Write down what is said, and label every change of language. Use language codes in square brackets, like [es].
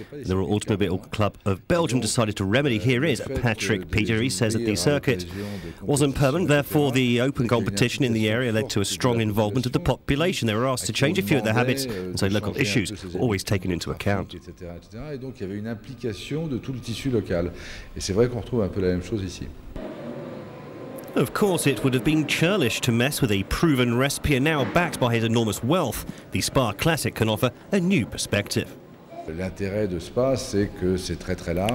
[en] The Royal Automobile Club of Belgium decided to remedy here is Patrick Petery says that the circuit wasn't permanent, therefore the open competition in the area led to a strong involvement of the population. They were asked to change a few of their habits, and so local issues were always taken into account. [fr] De tout le tissu local. Et c'est vrai qu'on retrouve un peu la même chose ici. [en] Of course, it would have been churlish to mess with a proven recipe, and now backed by his enormous wealth, the Spa Classic can offer a new perspective. [fr] L'intérêt de Spa, c'est que c'est très très large.